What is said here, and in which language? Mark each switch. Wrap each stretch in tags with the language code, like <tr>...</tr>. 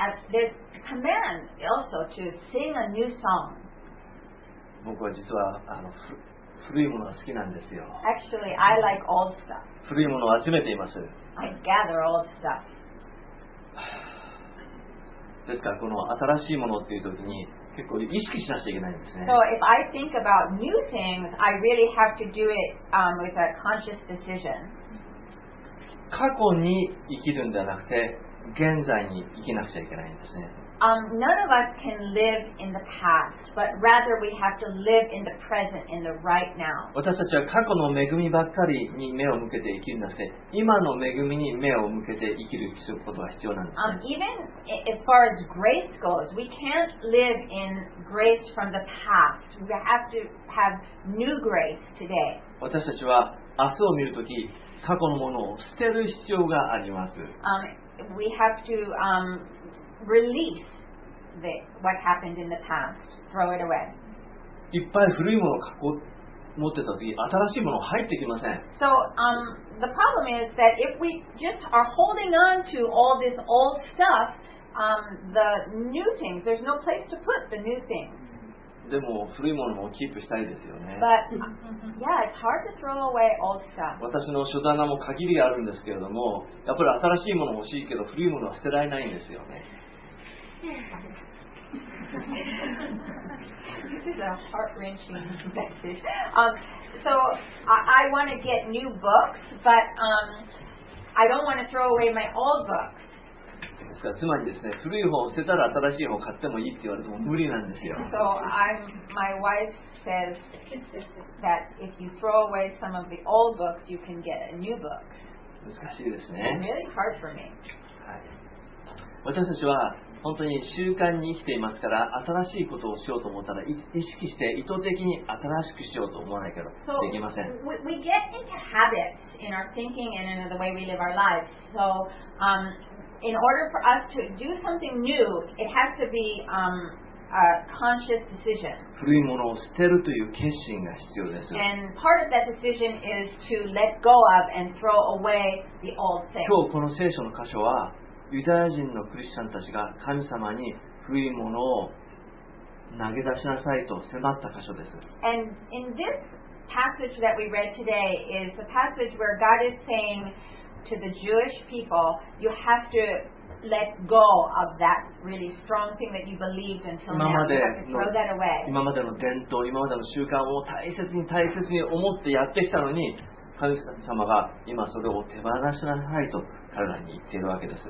<en>There's a command also to sing a new song.</en> <ja>僕は実は古いものが好きなんですよ。</ja> <en>Actually, I like old stuff.</en> <ja>古いものを集めています。</ja> <en>I gather old stuff.</en> <ja>ですからこの新しいものっていうときに結構意識しなきゃいけないんですね。</ja> <en>So if I think about new things, I really have to do it with a conscious decision.</en> <ja>過去に生きるんではなくて現在に生きなくちゃいけないんですね。</ja> <en>None of us can live in the past, but rather we have to live in the present, in the right now.</en> <ja>私たちは過去の恵みばっかりに目を向けて生きるんだって、今の恵みに目を向けて生きることが必要なんです、ね。</ja> <en>Even as far as grace goes, we can't live in grace from the past. We have to have new grace today.</en> <ja>私たちは明日を見るとき、過去のものを捨てる必要があります。</ja> <en>We have to, release the, what happened in the past. Throw it away.</en> <ja>いっぱい古いものを持ってた時、新しいもの入ってきません。</ja> <en>So, the problem is that if we just are holding on to all this old stuff, the new things, there's no place to put the new things.</en> <ja>でも古いものもキープしたいですよね。</ja> <en>But, yeah, it's hard to throw away old stuff.</en> <ja>私の書棚も限りあるんですけれども、やっぱり新しいもの欲しいけど古いものは捨てられないんですよね。</ja> <en>This is a heart-wrenching message. So I want to get new books, but I don't want to throw away my old books.</en> <ja>ですから、つまりですね、古い本を捨てたら新しい本買ってもいいって言われても無理なんですよ。</ja> <en>So my wife says that if you throw away some of the old books, you can get a new book.</en> <ja>難しいですね。</ja> <en>It's really hard for me.</en> <ja>はい。私たちは本当に習慣に生きていますから、新しいことをしようと思ったら意識して意図的に新しくしようと思わないけどできません。</ja> <en>So, we get into habits in our thinking and in the way we live our lives. So, in order for us to do something new, it has to be a conscious decision.</en> <ja>古いものを捨てるという決心が必要です。</ja> <en>And part of that decision is to let go of and throw away the old things.</en> <ja>今日この聖書の箇所はユダヤ人のクリスチャンたちが神様に古いものを投げ出しなさいと迫った箇所です。</ja> <en>And in this passage that we read today is the passage where God is saying to the Jewish people, you have to let go of that really strong thing that you believed until now. You have to throw that away.</en> <ja>今までの伝統、今までの習慣を大切に大切に思ってやってきたのに、神様が今それを手放しなさいと彼らに言っているわけです。</ja>